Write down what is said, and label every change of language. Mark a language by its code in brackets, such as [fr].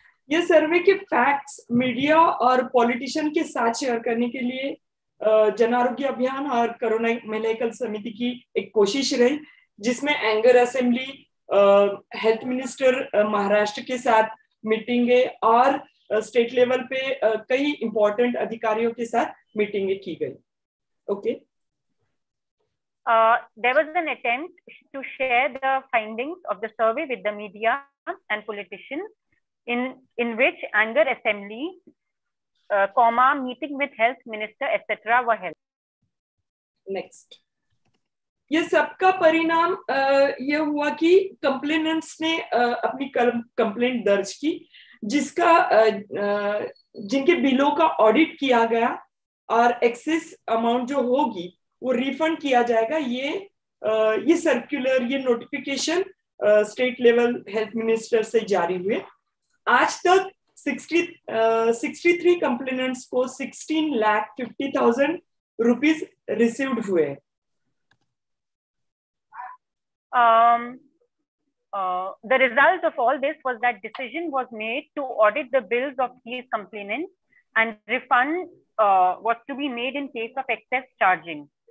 [hi] ये सर्वे के facts media और पॉलिटिशियन के साथ शेयर करने के लिए जनारोग्य अभियान और कोरोना महिला एकल समिति की एक कोशिश रही, जिसमें anger assembly, health minister Maharashtra के साथ मीटिंगें और स्टेट लेवल पे कई इंपॉर्टेंट अधिकारियों के साथ मीटिंगें की गई। Okay. [en] There was an attempt to share the findings of the survey with the media and politicians, in which anger assembly, meeting with health minister, etc. were held. Next. [hi] ये सबका परिणाम ये हुआ कि कंप्लेनेंट्स ने अपनी कंप्लेंट दर्ज की, जिसका जिनके बिलों का ऑडिट किया गया और एक्सेस अमाउंट जो होगी वो रिफंड किया जाएगा। ये सर्कुलर, ये notification state level health minister से जारी हुए। आज तक 63 कंप्लेनेंट्स को 16,50,000 रुपीज रिसीव्ड हुए। [en] The results of all this was that decision was made to audit the bills of these complainants and refund was to be made in case of excess charging.